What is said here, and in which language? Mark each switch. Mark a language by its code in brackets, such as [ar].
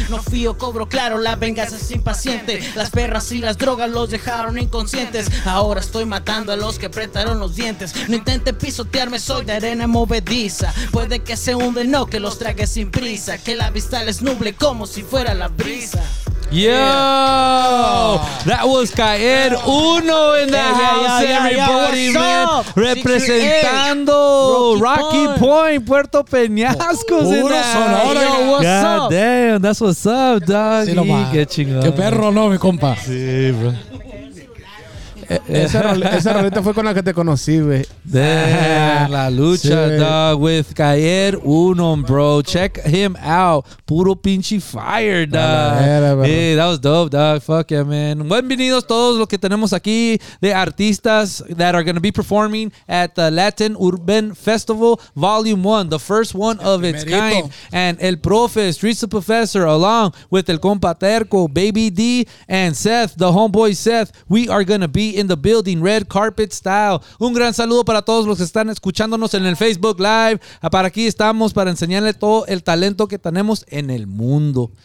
[es] No fío, cobro claro, la venganza es impaciente. Las perras y las drogas los dejaron inconscientes. Ahora estoy matando a los que apretaron los dientes. No intente pisotearme, soy de arena movediza. Puede que se hunden, no, que los trague sin prisa. Que la vista les nuble como si fuera la brisa. [en] Yo, that was Kair Uno in the house, everybody, man. [es] Representando Rocky Point, Puerto Peñasco. Puro Sonora. [en] God damn, that's what's up, dog. [es] Sí, no, qué chingón. Qué perro, no, mi compa. Sí, bro. Esa roleta fue con la que te conocí, güey. [en] La lucha, sí, dog, with Kair Uno, bro. Check him out. Puro pinche fire, dog. Hey, that was dope, dog. Fuck yeah, man. [es] Bienvenidos todos los que tenemos aquí de artistas [en] that are going to be performing at the Latin Urban Festival Volume 1, the first one of its kind. And el profe, Streetz the Professor, along with el compa Terco, Baby D, and Seth, the homeboy Seth, we are going to be in the building, red carpet style. [es] Un gran saludo para todos los que están escuchándonos en el Facebook Live. Para aquí estamos para enseñarle todo el talento que tenemos en el mundo.